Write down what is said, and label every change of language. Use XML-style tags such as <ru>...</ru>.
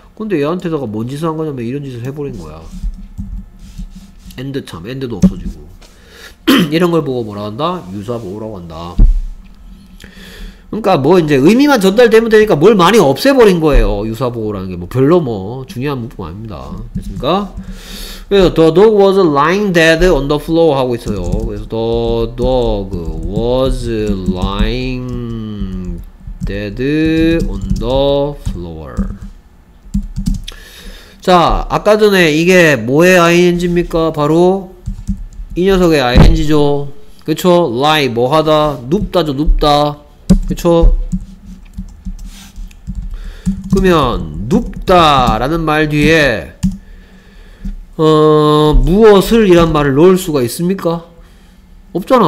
<ko>근데 얘한테다가 뭔 짓을 한 거냐면 이런 짓을 해버린 거야. and 참 and도 없어지고 이런 걸 보고 뭐라 한다? 유사 보호라고 한다. 그러니까 뭐 이제 의미만 전달되면 되니까 뭘 많이 없애버린 거예요. 유사보호라는 게 뭐 별로 뭐 중요한 문법 아닙니다. 됐습니까? 그래서</ko> <en>the dog was lying dead on the floor</en> <ko>하고 있어요. 그래서</ko> <en>the dog was lying dead on the floor.</en> <ko>자, 아까 전에 이게 뭐의 ing입니까? 바로 이 녀석의 ing죠. 그쵸? lie 뭐하다? 눕다죠. 눕다. 그쵸? 그러면 눕다 라는 말 뒤에 무엇을 이란 말을 넣을 수가 있습니까? 없잖아.</ko>